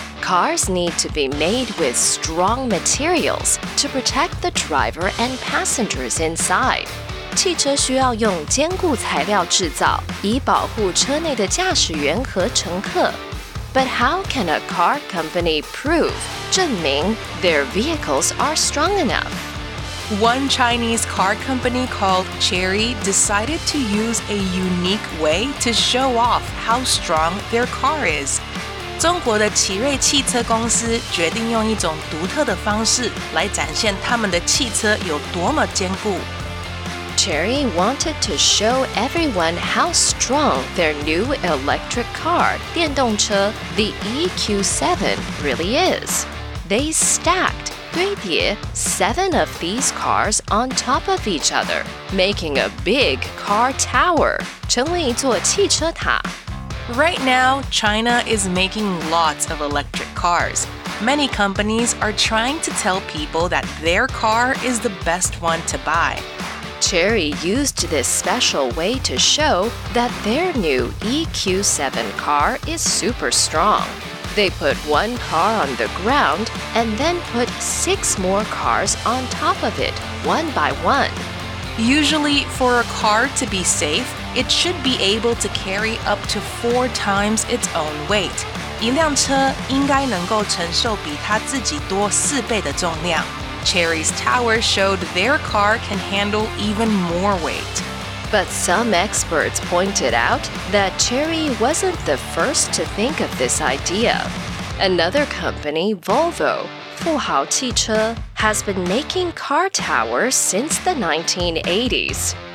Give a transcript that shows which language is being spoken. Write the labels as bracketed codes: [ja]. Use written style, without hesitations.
[en] Cars need to be made with strong materials to protect the driver and passengers inside. [zh] 汽车需要用坚固材料制造,以保护车内的驾驶员和乘客。 [en] But how can a car company prove, 证明, their vehicles are strong enough? One Chinese car company called Chery decided to use a unique way to show off how strong their car is. [zh] 中国的奇瑞汽车公司决定用一种独特的方式来展现他们的汽车有多么坚固。 [en] Chery wanted to show everyone how strong their new electric car, 电动车, the EQ7, really is. They stacked 堆叠, 7 of these cars on top of each other, making a big car tower, [zh] 成为一座汽车塔. [en] Right now, China is making lots of electric cars. Many companies are trying to tell people that their car is the best one to buy. Chery used this special way to show that their new EQ7 car is super strong. They put one car on the ground and then put 6 more cars on top of it, one by one. Usually, for a car to be safe, it should be able to carry up to 4 times its own weight, [zh] 一辆车应该能够承受比它自己多四倍的重量。 [en] Chery's tower showed their car can handle even more weight. But some experts pointed out that Chery wasn't the first to think of this idea. Another company, Volvo, 富豪汽车, has been making car towers since the 1980s.